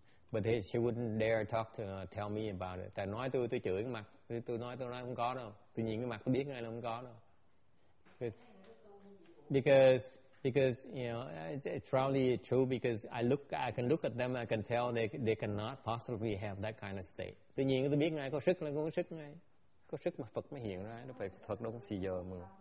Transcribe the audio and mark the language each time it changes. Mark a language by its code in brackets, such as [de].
[en] But she wouldn't dare talk to tell me about it. [vi] Tại nói tôi chửi cái mặt, tôi nói không có đâu. Tôi nhìn cái mặt tôi biết ngay là không có đâu. [en] Because it's probably true because I can look at them, I can tell they cannot possibly have that kind of state. [vi] Tôi nhìn tôi biết ngay có sức là có sức ngay. Có sức mà Phật mới hiện ra, nó phải thật đâu có xì giờ mà.